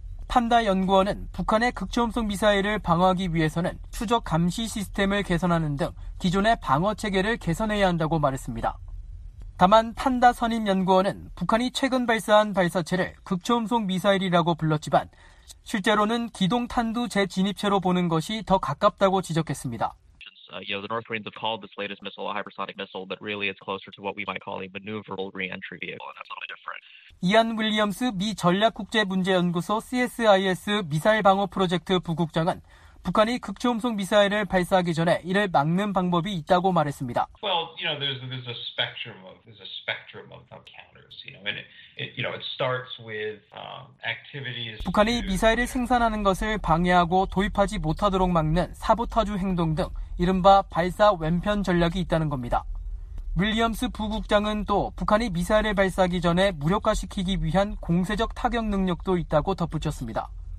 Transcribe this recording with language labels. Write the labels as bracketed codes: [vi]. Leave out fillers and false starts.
[ko] 판다 연구원은 북한의 극초음속 미사일을 방어하기 위해서는 추적 감시 시스템을 개선하는 등 기존의 방어 체계를 개선해야 한다고 말했습니다. 다만 판다 선임 연구원은 북한이 최근 발사한 발사체를 극초음속 미사일이라고 불렀지만 실제로는 기동탄두 재진입체로 보는 것이 더 가깝다고 지적했습니다. [en] The North Koreans have called this latest missile a hypersonic missile, but really it's closer to what we might call a maneuverable re-entry vehicle, and that's a little different. [ko] 이안 윌리엄스 미 전략국제문제연구소 CSIS 미사일 방어 프로젝트 부국장은 북한이 극초음속 미사일을 발사하기 전에 이를 막는 방법이 있다고 말했습니다. [en] Well, you know, there's a spectrum of counters. You know, and it starts with activities. [ko] 북한이 미사일을 생산하는 것을 방해하고 도입하지 못하도록 막는 사보타주 행동 등 이른바 발사 왼편 전략이 있다는 겁니다. 윌리엄스 부국장은 또 북한이 미사일을 발사하기 전에 무력화시키기 위한 공세적 타격 능력도 있다고 덧붙였습니다.